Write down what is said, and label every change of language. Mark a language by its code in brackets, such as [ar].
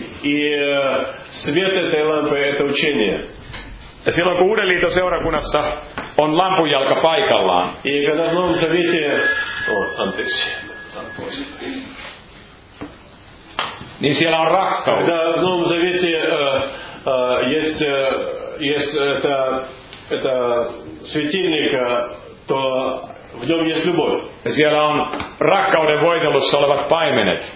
[ru] И свет этой лампы это учение. [fi] Ja silloin kun Uuden liiton seurakunnassa on lampunjalka paikallaan. [ru] И когда в новом завете, anteeksi. [fi] Niin siellä on rakkaus. [ru] Когда в новом завете есть это светильник, то в нём есть любовь. [fi] Siellä on rakkauden voitelussa olevat paimenet.